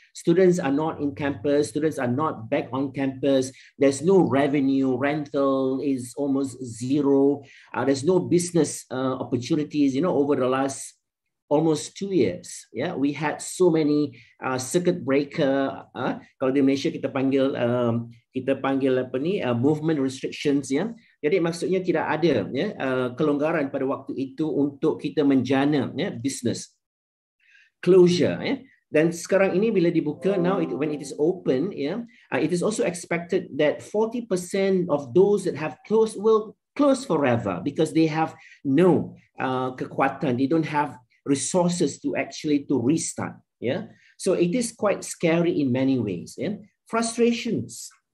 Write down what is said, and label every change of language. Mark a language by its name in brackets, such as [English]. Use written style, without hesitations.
[English] Students are not in campus. Students are not back on campus. There's no revenue. Rental is almost zero. There's no business opportunities. You know, over the last almost 2 years, yeah, we had so many circuit breaker. [Malay] Kalau di Malaysia kita panggil apa ni? [English] Movement restrictions, ya. Yeah. [Malay] Jadi maksudnya tidak ada, ya, kelonggaran pada waktu itu untuk kita menjana, ya, yeah, [English] business closure, [Malay] ya. Yeah. Dan sekarang ini bila dibuka, [English] now when it is open, ya, yeah, it is also expected that 40% of those that have closed will close forever because they have no [Malay] kekuatan. [English] They don't have resources to actually to restart. Yeah, so it is quite scary in many ways. Yeah, frustrations.